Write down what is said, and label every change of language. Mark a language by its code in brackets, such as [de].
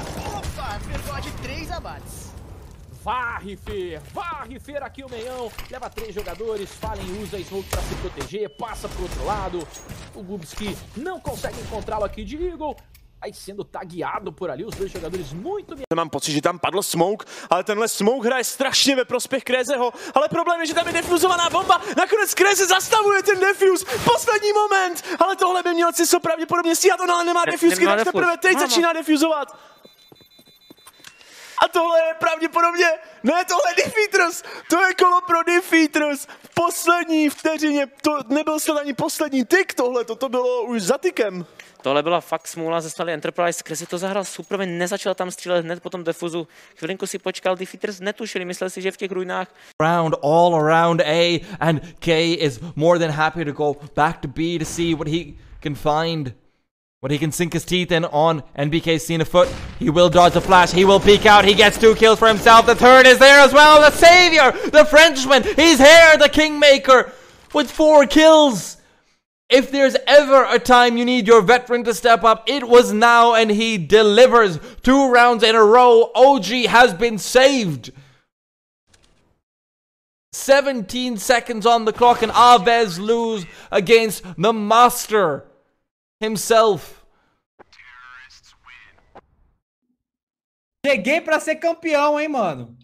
[pt] Opa! Pegou de três abates. Varre, Fer! Varre, Fer! Aqui o meião. Leva três jogadores. Fallen usa a smoke pra se proteger. Passa pro outro lado. O Gubski não consegue encontrá-lo aqui de Eagle. Vai sendo tagueado por ali. Os dois jogadores muito... [cs] Mám pocit, že tam padl smoke, ale tenhle smoke hraje strašně ve prospěch Krezeho, ale problém je, že tam je defuzovaná bomba, nakonec Kreze zastavuje ten defuz, poslední moment, ale tohle by měl Ciso pravděpodobně stíhat, on ale nemá defuzky, tak teprve teď začíná defuzovat. A tohle je pravděpodobně, ne tohle Defeaters, to je kolo pro Defeaters, v poslední vteřině, to nebyl snad ani poslední tik tohle, to bylo už za tykem. Tohle byla fakt smůla ze strany Enterprise, Krezi to zahrál super, nezačal tam střílet hned po tom defuzu. Chvilinku si počkal, Defeaters netušili, mysleli si, že v těch ruinách. [en] Round all around A and K is more than happy to go back to B to see what he can find. What he can sink his teeth in on NBK's seen a foot. He will dodge the flash, he will peek out, he gets two kills for himself. The turret is there as well, the savior, the Frenchman, he's here, the Kingmaker with four kills. If there's ever a time you need your veteran to step up, it was now, and he delivers two rounds in a row. OG has been saved. 17 seconds on the clock, and Aves lose against the master himself. [pt] Cheguei pra ser campeão, hein, mano?